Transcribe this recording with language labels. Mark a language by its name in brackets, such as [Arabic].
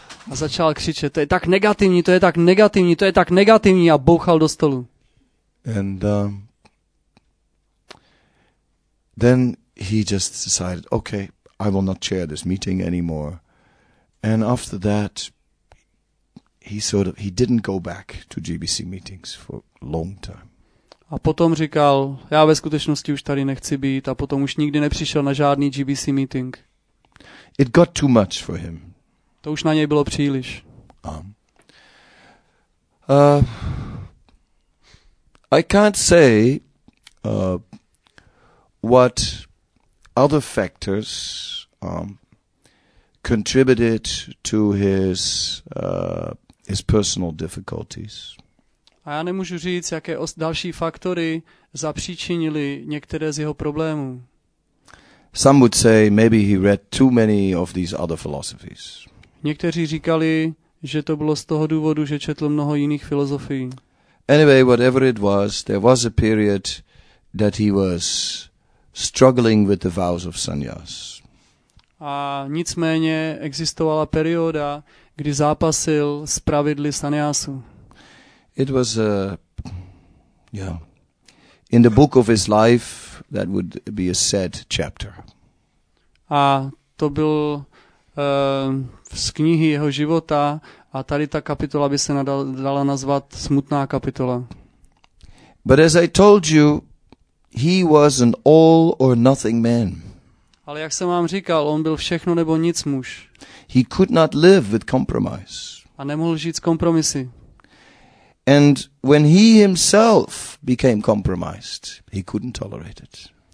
[Czech] A začal křičet, to je tak negativní, to je tak negativní, to je tak negativní, a bouchal do stolu. [English] And then he just decided, okay, I will not chair this meeting anymore. And after that, he didn't go back to GBC meetings for long time. [Czech] A potom říkal, já ve skutečnosti už tady nechci být, a potom už nikdy nepřišel na žádný GBC meeting. [English] It got too much for him. [Czech] To už na něj bylo příliš. [English] I can't say what other factors contributed to his personal difficulties. [Czech] A já nemůžu říct, jaké další faktory zapříčinili některé z jeho problémů. [English] Some would say maybe he read too many of these other philosophies. [Czech] Někteří říkali, že to bylo z toho důvodu, že četl mnoho jiných filozofií. [English] Anyway, whatever it was, there was a period that he was struggling with the vows of sannyas. [Czech] A nicméně existovala perioda, kdy zápasil s pravidly sannyasu. [English] It was a in the book of his life that would be a sad chapter. [Czech] A to byl z knihy jeho života, a tady ta kapitola by se dala nazvat smutná kapitola. [English] But as I told you, he was an all or nothing man. [Czech] Ale jak jsem vám říkal, on byl všechno nebo nic muž. [English] He could not live with compromise. [Czech] A nemohl žít s kompromisy. [English] And when he himself became compromised, he couldn't tolerate it.